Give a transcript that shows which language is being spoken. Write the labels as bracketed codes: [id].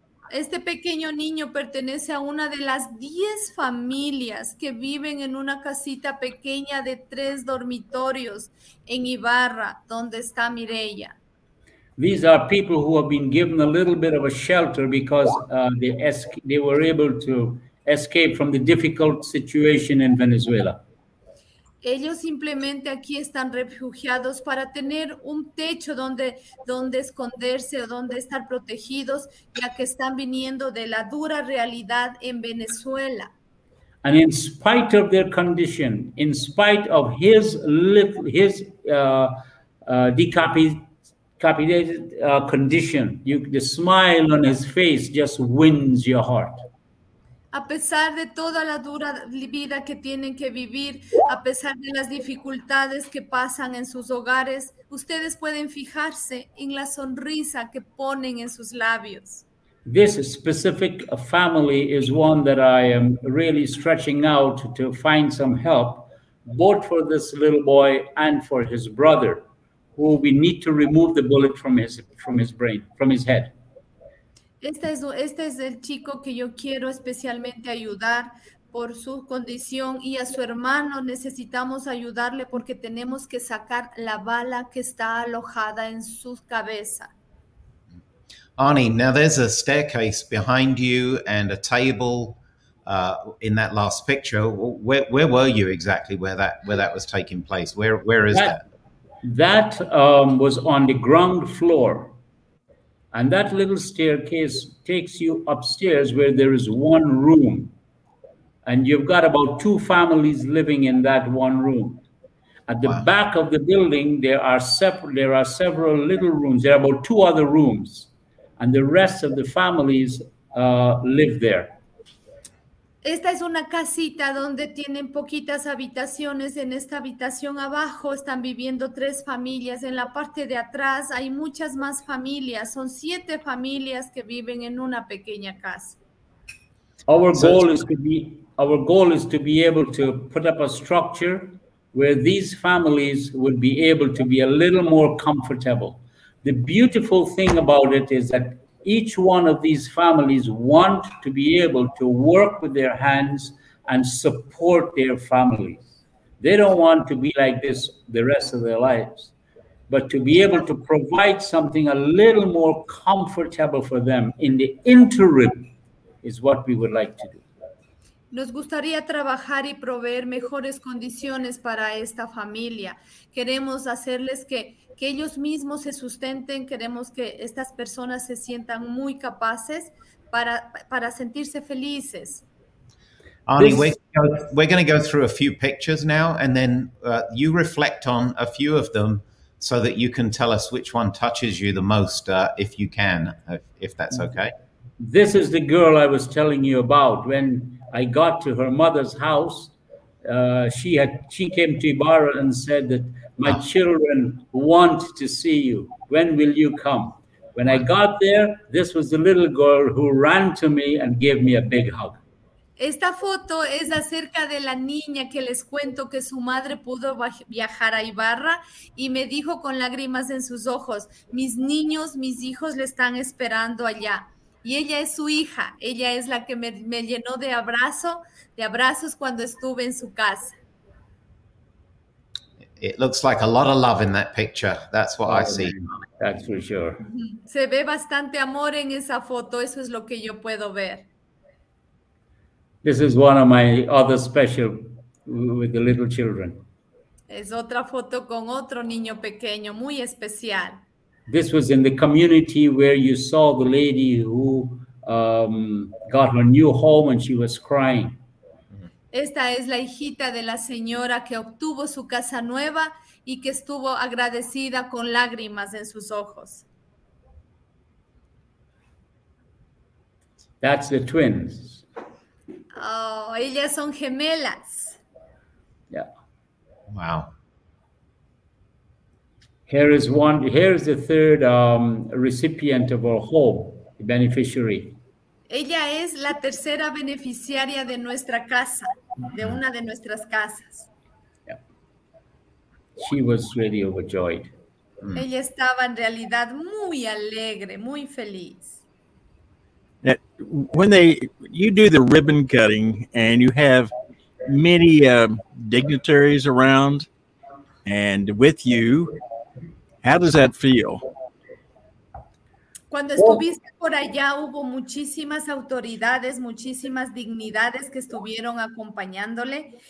[es] Este pequeño niño pertenece a una de las 10 familias que viven en una casita pequeña de 3 dormitorios en Ibarra, donde está Mireya. [en] These are people who have been given a little bit of a shelter because they were able to escape from the difficult situation in Venezuela. [es] Ellos simplemente aquí están refugiados para tener un techo donde esconderse o donde estar protegidos, ya que están viniendo de la dura realidad en Venezuela. [en] And in spite of their condition, in spite of his decapitated condition, the smile on his face just wins your heart. [es] A pesar de toda la dura vida que tienen que vivir, a pesar de las dificultades que pasan en sus hogares, ustedes pueden fijarse en la sonrisa que ponen en sus labios. [en] This specific family is one that I am really stretching out to find some help, both for this little boy and for his brother, who we need to remove the bullet from his brain, from his head. [es] Este es el chico que yo quiero especialmente ayudar por su condición y a su hermano necesitamos ayudarle porque tenemos que sacar la bala que está alojada en su cabeza. [en] Arnie, now there's a staircase behind you and a table in that last picture. Where were you exactly where that was taking place? Where is that? That was on the ground floor. And that little staircase takes you upstairs where there is one room. And you've got about two families living in that one room. At the back of the building, there are several little rooms. There are about two other rooms. And the rest of the families live there. [es] Esta es una casita donde tienen poquitas habitaciones. En esta habitación abajo están viviendo tres familias. En la parte de atrás hay muchas más familias. Son siete familias que viven en una pequeña casa. [en] Our goal is to be able to put up a structure where these families would be able to be a little more comfortable. The beautiful thing about it is that each one of these families want to be able to work with their hands and support their families. They don't want to be like this the rest of their lives, but to be able to provide something a little more comfortable for them in the interim is what we would like to do. [es] Nos gustaría trabajar y proveer mejores condiciones para esta familia. Queremos hacerles que ellos mismos se sustenten. Queremos que estas personas se sientan muy capaces para sentirse felices. [en] Arnie, we're going to go through a few pictures now, and then you reflect on a few of them so that you can tell us which one touches you the most, if you can, if that's okay. This is the girl I was telling you about when I got to her mother's house. She came to Ibarra and said that my children want to see you. When will you come? When I got there, this was the little girl who ran to me and gave me a big hug. [es] Esta foto es acerca de la niña que les cuento que su madre pudo viajar a Ibarra y me dijo con lágrimas en sus ojos, mis niños, mis hijos le están esperando allá. Y ella es su hija. Ella es la que me llenó de abrazos cuando estuve en su casa. [en] It looks like a lot of love in that picture. That's what I see. That's for sure. [es] Se ve bastante amor en esa foto. Eso es lo que yo puedo ver. [en] This is one of my other special with the little children. [es] Es otra foto con otro niño pequeño, muy especial. [en] This was in the community where you saw the lady who got her new home and she was crying. [es] Esta es la hijita de la señora que obtuvo su casa nueva y que estuvo agradecida con lágrimas en sus ojos. [en] That's the twins. [es] Oh, ellas son gemelas. [en] Yeah. Wow. Here is the third recipient of our home, the beneficiary. [es] Ella es la tercera beneficiaria de nuestra casa, de una de nuestras casas. [en] Yeah. She was really overjoyed. Mm. [es] Ella estaba en realidad muy alegre, muy feliz. [en] When you do the ribbon cutting and you have many dignitaries around and with you, how does that feel? [es] Cuando estuviste por allá, hubo muchísimas autoridades, muchísimas dignidades que estuvieron acompañándole.